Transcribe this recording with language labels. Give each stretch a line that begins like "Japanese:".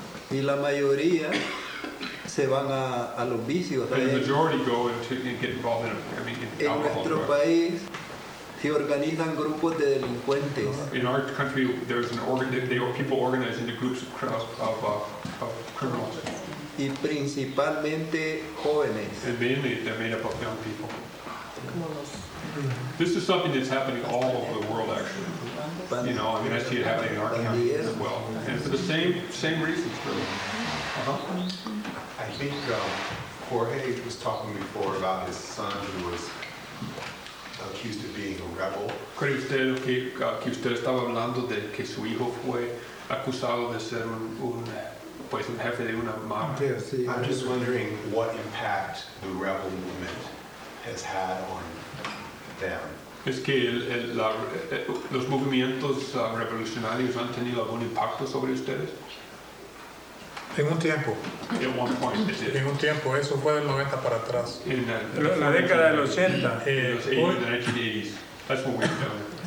Spanish: Y la mayoría se van a los vicios.
English: And the majority go into and get involved in, I mean, in alcohol.
Spanish: En nuestro país se organizan grupos de delincuentes.
English: In our country, there's an organ. People organize into groups of criminals.
Spanish: Y principalmente jóvenes.
English: And mainly, they're made up of young people. This is something that's happening all over the world, actually. You know, I mean, I see it happening in our county as well, and for the same reasons. I think Jorge was talking before about his son who was accused of being a rebel.
Spanish: Creo usted que usted estaba hablando de que su hijo fue acusado de ser un pues un jefe de una mafia.
English: I'm just wondering what impact the rebel movement has had on them.
Spanish: Es que los movimientos revolucionarios han tenido algún impacto sobre ustedes. En un tiempo.
English: At one point, it did.
Spanish: En un tiempo, eso fue del 90 para atrás.
English: In
Spanish: la década del 80.
English: In the 1980s. That's what we've done.